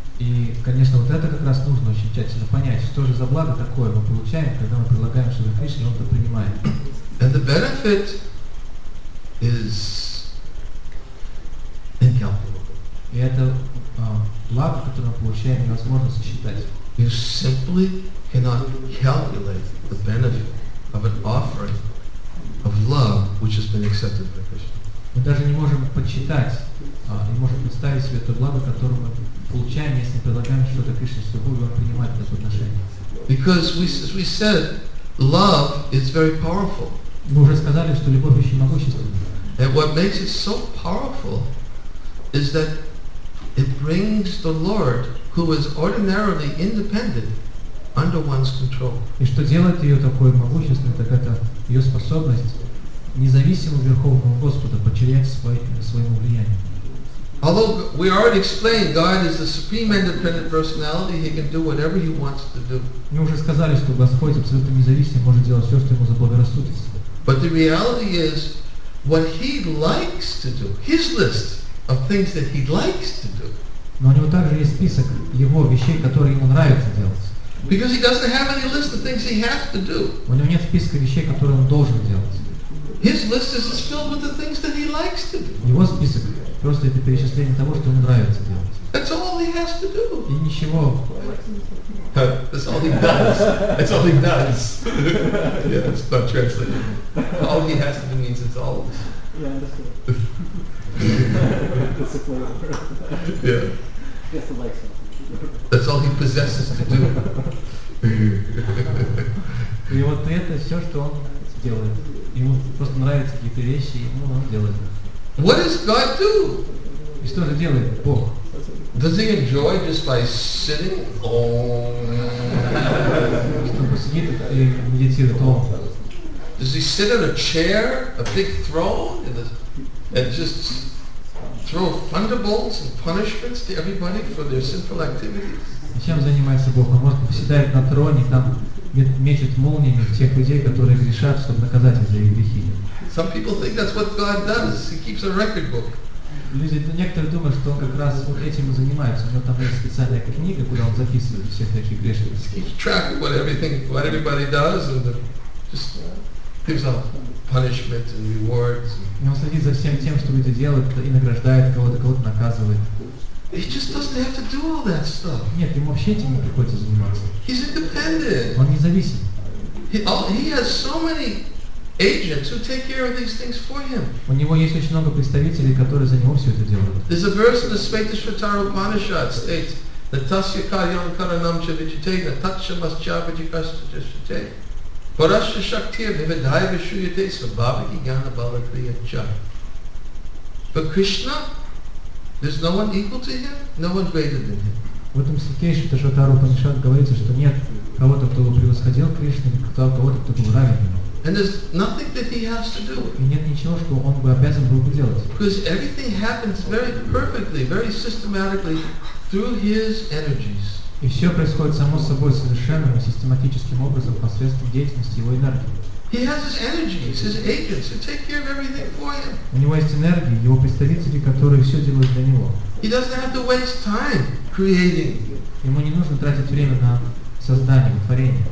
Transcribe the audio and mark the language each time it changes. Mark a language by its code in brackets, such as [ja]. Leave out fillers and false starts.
[ru] И, конечно, вот это как раз нужно очень тщательно понять, что же за благо такое мы получаем, когда мы предлагаем что-то Кришне, он это принимает. [en] And the benefit is incalculable. [ru] И это благо, которое мы получаем, невозможно сосчитать. [en] You simply cannot calculate the benefit of an offering of love which has been accepted by Krishna. [ru] Мы даже не можем подсчитать, не можем представить себе то благо, которое мы получаем, если предлагаем что-то Кришне, чтобы он принимает это отношение. [en] Because we, as we said, love is very powerful. [ru] Мы уже сказали, что любовь очень могущественна. [en] And what makes it so powerful is that it brings the Lord, who is ordinarily independent, under one's control. [ru] И что делает ее такой могущественной, так это ее способность независимого Верховного Господа подчинять своему влиянию. [en] Although we already explained, God is the supreme independent personality, He can do whatever He wants to do. [ru] Мы уже сказали, что Господь абсолютно независим, может делать все, что ему заблагорассудится. [en] But the reality is, what He likes to do, His list of things that He likes to do. [ru] Но у него также есть список его вещей, которые ему нравится делать. [en] Because He doesn't have any list of things He has to do. [ru] У него нет списка вещей, которые он должен делать. [en] His list is just filled with the things that he likes to do. [ru] Его список просто это перечисление того, что ему нравится делать. [en] That's all he has to do. [ru] И ничего. [en] That's all he does. That's all he does. Yeah, it's not translated. All he has to do means it's all. Yeah, that's it. Yeah. Just to like something. That's all he possesses to do. [ru] И вот это все, что он делает. Ему просто нравятся какие-то вещи, и он делает их. [en] What does God do? [ru] И что же делает Бог? [en] Does he enjoy just by sitting? [ru] Что он сидит и медитирует? [en] Does he sit on a chair, a big throne, and just throw thunderbolts and punishments to everybody for their sinful activities? [ru] Чем занимается Бог? Он может поседает на троне, там мечет молниями в тех людей, которые грешат, чтобы наказать их за их грехи. [en] Some people think that's what God does. He keeps a record book. [ru] Люди, некоторые думают, что он как раз вот этим и занимается. У него там есть специальная книга, куда он записывает всех таких грешников. [en] He keeps track of what everybody does and just gives out punishment and rewards. [ru] И он следит за всем тем, что люди делают, и награждает кого-то, кого-то наказывает. [en] He just doesn't have to do all that stuff. [ru] Нет, ему вообще этим не приходится заниматься. [en] He's independent. [ru] Он независим. [en] He has so many agents who take care of these things for him. [ru] У него есть очень много представителей, которые за него все это делают. [en] There's a verse in the Svetashvatara Upanishad states, [sa] Natasya kayam karanam cha vijitay, natatcha mascha vijikasya jishvatay, parasya shaktir vividhaya vishuyate, sabhavaki gyana balakriya cha. [en] But Krishna, there's no one equal to him, no one greater than him. [ru] В этом стихе Шатару Панишат говорится, что нет кого-то, кто бы превосходил Кришну, или кого-то, кто был равен ему. [en] And there's nothing that he has to do. [ru] И нет ничего, что он бы обязан был бы делать. [en] Because everything happens very perfectly, very systematically through his energies. [ru] И все происходит само собой совершенным и систематическим образом посредством деятельности его энергии. [en] He has his energies, his agents who take care of everything for him. [ru] У него есть энергии, его представители, которые все делают для него. [en] He doesn't have to waste time creating. [ru] Ему не нужно тратить время на создание, творение.